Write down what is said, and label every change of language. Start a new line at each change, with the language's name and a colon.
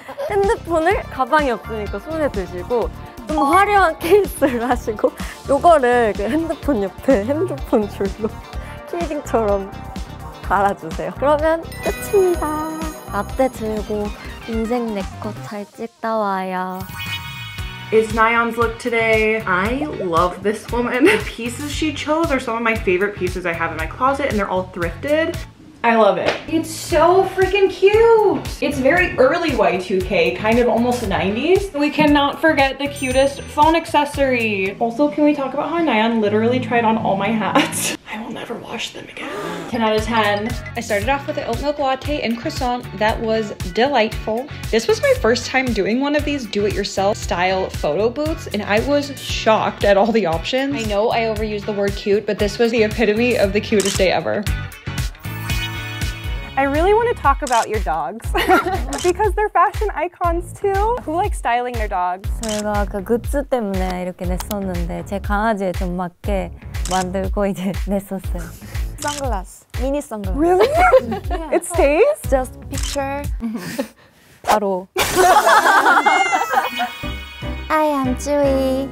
Korean: 핸드폰을 가방이 없으니까 손에 드시고 좀 화려한 케이스를 하시고 요거를 그 핸드폰 옆에 핸드폰 줄로 키링처럼 달아주세요. 그러면 끝입니다. 라떼 들고 인생 내꺼 잘 찍다 와요.
English: It's Nayeon's look today. I love this woman. The pieces she chose are some of my favorite pieces I have in my closet and they're all thrifted. I love it. It's so freaking cute. It's very early Y2K, kind of almost 90s. We cannot forget the cutest phone accessory. Also, can we talk about how Nayeon literally tried on all my hats? I will never wash them again. 10 out of 10. I started off with an oat milk latte and croissant. That was delightful. This was my first time doing one of these do-it-yourself style photo booths, and I was shocked at all the options. I know I overused the word cute, but this was the epitome of the cutest day ever. I really want to talk about your dogs because they're fashion icons too. Who likes styling their dogs?
Korean: 제가 그 굿즈 때문에 이렇게 냈었는데 제 강아지에 좀 맞게 만들고 이제 냈었어요.
English: Sunglass, mini sunglass. Really? Yeah. It stays? Just picture.
Korean: 바로.
English: Hi, I'm Joey.